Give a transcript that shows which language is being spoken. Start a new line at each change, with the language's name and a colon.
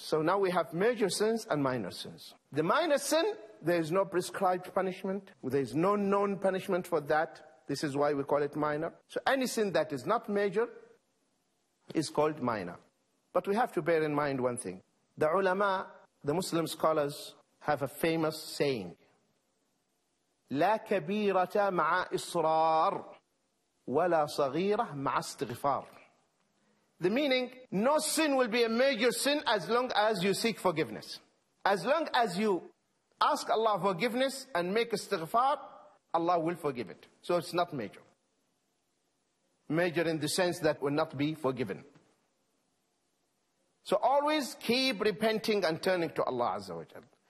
English: So now we have major sins and minor sins. The minor sin, there is no prescribed punishment. There is no known punishment for that. This is why we call it minor. So any sin that is not major is called minor. But we have to bear in mind one thing. The ulama, the Muslim scholars, have a famous saying.
Arabic: لا كبيرة مع إصرار ولا صغيرة مع استغفار.
English: The meaning, no sin will be a major sin as long as you seek forgiveness. As long as you ask Allah forgiveness and make istighfar, Allah will forgive it. So it's not major. Major in the sense that will not be forgiven. So always keep repenting and turning to Allah Azza wa Jal.